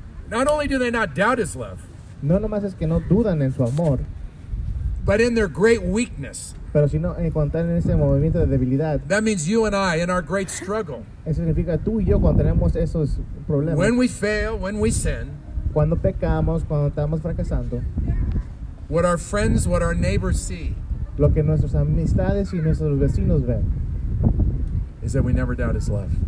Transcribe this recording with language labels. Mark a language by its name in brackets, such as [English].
[English] Not only do they not doubt his love. [Spanish] No nomás es que no dudan en su amor. [English] But in their great weakness. [Spanish] Pero si no, cuando están en ese movimiento de debilidad. [English] That means you and I in our great struggle. [Spanish] Eso significa tú y yo cuando tenemos esos problemas. [English] When we fail, when we sin. [Spanish] Cuando pecamos, cuando estamos fracasando. [English] What our friends, what our neighbors see. [Spanish] Lo que nuestras amistades y nuestros vecinos ven. [English] Is that we never doubt his love.